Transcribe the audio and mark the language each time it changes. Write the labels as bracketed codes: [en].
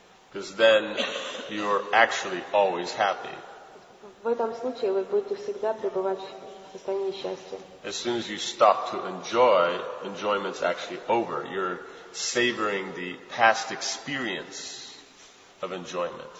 [en] Because then you are actually always happy. [ru] В этом случае вы будете всегда пребывать в состоянии счастья. [en] As soon as you stop to enjoy, enjoyment's actually over. You're savoring the past experience of enjoyment.